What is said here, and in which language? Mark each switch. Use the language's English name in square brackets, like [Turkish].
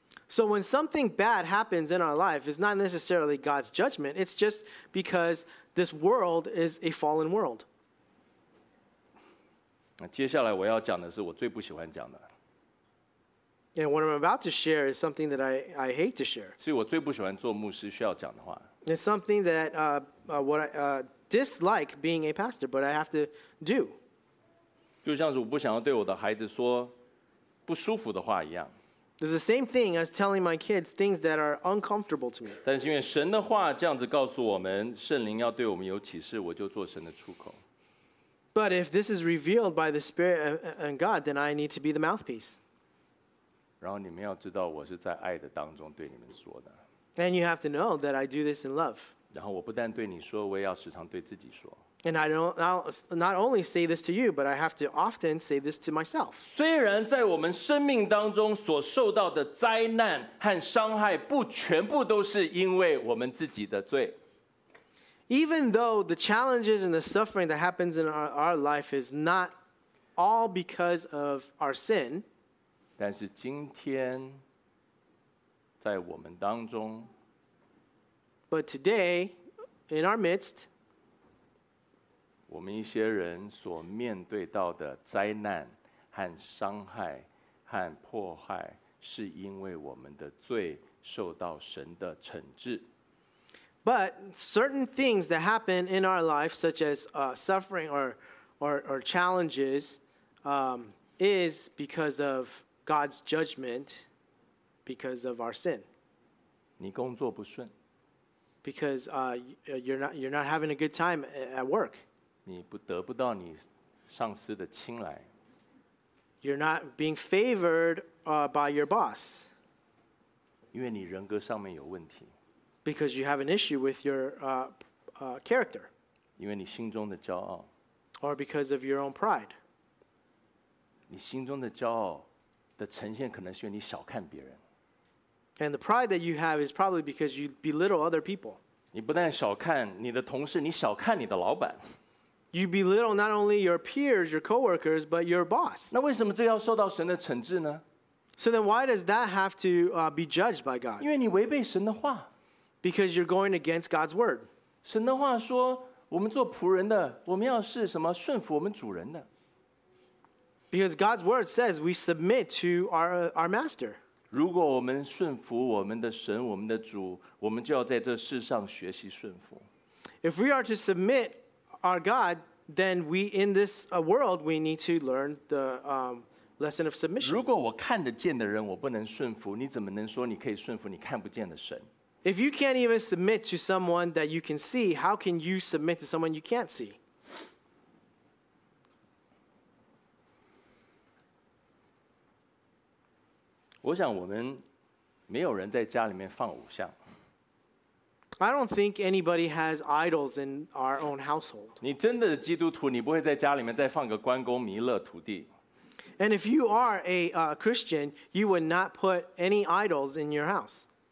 [English] So when something bad happens in our life, it's not necessarily God's judgment. It's just because this world is a fallen world. [Chinese] 接下来我要讲的是我最不喜欢讲的。 [English] And what I'm about to share is something that I hate to share. [Chinese] 所以我最不喜欢做牧师需要讲的话。 [English] It's something that what I dislike being a pastor, but I have to do. [Chinese] 就像是我不想要对我的孩子说不舒服的话一样。 [English] It's the same thing as telling my kids things that are uncomfortable to me. [Chinese] 但是因为神的话这样子告诉我们，圣灵要对我们有启示，我就做神的出口。 [English] But if this is revealed by the Spirit and God, then I need to be the mouthpiece. [Chinese] 然后你们要知道我是在爱的当中对你们说的。 [English] And you have to know that I do this in love. [Chinese] 然后我不但对你说，我也要时常对自己说。 [English] And I don't not only say this to you, but I have to often say this to myself. [Chinese] 虽然在我们生命当中所受到的灾难和伤害不全部都是因为我们自己的罪。 [English] Even though the challenges and the suffering that happens in our life is not all because of our sin, [Chinese] 但是今天在我们当中 [English] But today, in our midst, [Chinese] 我们一些人所面对到的灾难和伤害和迫害是因为我们的罪受到神的惩治。 [English] But certain things that happen in our life, such as suffering or challenges, is because ofGod's judgment because of our sin. [Chinese] 你工作不顺。 [English] Because you're not having a good time at work. [Chinese] 你不得不到你上司的青睐。 [English] You're not being favored by your boss. [Chinese] 因为你人格上面有问题。 [English] Because you have an issue with your character. [Chinese] 因为你心中的骄傲。 [English] Or because of your own pride. [Chinese] 你心中的骄傲的呈现可能是因为你小看别人。 [English] And the pride that you have is probably because you belittle other people. [Chinese] 你不但小看你的同事，你小看你的老板。 [English] You belittle not only your peers, your coworkers, but your boss. [Chinese] 那为什么这要受到神的惩治呢？ [English] So then why does that have to be judged by God? [Chinese] 因为你违背神的话。 [English] Because you're going against God's word. [Chinese] 神的话说，我们做仆人的，我们要是什么顺服我们主人的。 [English] Because God's word says we submit to our master. [Chinese] 如果我们顺服我们的神，我们的主，我们就要在这世上学习顺服。 [English] If we are to submit our God, then we in this world we need to learn the lesson of submission. [Chinese] 如果我看得见的人我不能顺服，你怎么能说你可以顺服你看不见的神？ [English] If you can't even submit to someone that you can see, how can you submit to someone you can't see? [Chinese] 我想我们没有人在家里面放偶像。 [English] I don't think anybody has idols in our own household. [Chinese] 你真的基督徒，你不会在家里面再放个关公弥勒土地。 [English] And if you are a Christian, you would not put any idols in your house.